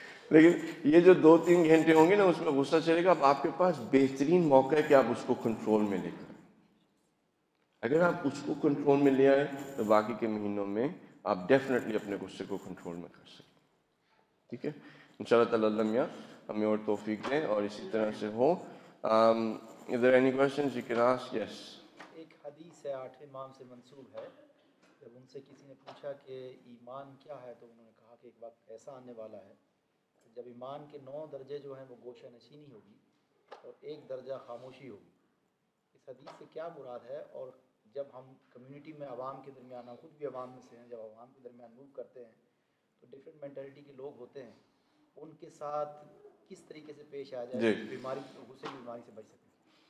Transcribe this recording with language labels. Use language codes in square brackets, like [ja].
[ur] لیکن یہ جو 2-3 گھنٹے ہوں گے نا اس میں غصہ چلے گا. اب آپ کے پاس بہترین موقع ہے کہ آپ اس کو کنٹرول میں لے کر, اگر آپ اس کو کنٹرول میں لے آئے تو باقی کے مہینوں میں آپ ڈیفینیٹلی اپنے غصے کو کنٹرول میں کر سکیں. ٹھیک ہے, ان شاء اللہ تعالیٰ علامیہ ہمیں اور توفیق دیں اور اسی طرح سے ہو. [en] Is there any questions you can ask? Yes. [ur] ایک حدیث ہے 8 امام سے منسوب ہے, جب ان سے کسی نے پوچھا کہ ایمان کیا ہے تو انہوں نے کہا کہ ایک وقت ایسا آنے والا ہے جب ایمان کے 9 درجے جو ہیں وہ گوشہ نشینی ہوگی اور 1 درجہ خاموشی ہوگی. اس حدیث سے کیا مراد ہے, اور جب ہم کمیونٹی میں عوام کے درمیان, ہم خود بھی عوام میں سے ہیں, جب عوام کے درمیان موو کرتے ہیں تو ڈفرینٹ مینٹلٹی کے لوگ ہوتے ہیں, ان کے ساتھ کس طریقے سے پیش آ جائے بیماری غصے کی بیماری سے بچ سکے؟